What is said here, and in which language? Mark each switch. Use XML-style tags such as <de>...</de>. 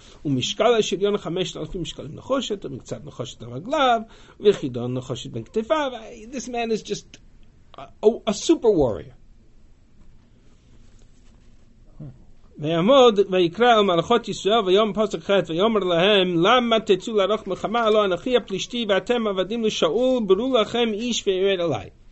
<he>ומשקל השריון 5,000 משקלים נחושת, ומקצת נחושת הרגליו, וחידון נחושת בן כתפיו.</he> <en>This man is just a super warrior.</en> <he>ויעמוד ויקרא על מלכות ישראל ויום פסק חת ויאמר להם, למה תצאו לערוך מלחמה? הלא אנכי הפלישתי ואתם עבדים לשאול, ברו לכם איש וירד עלי.</he>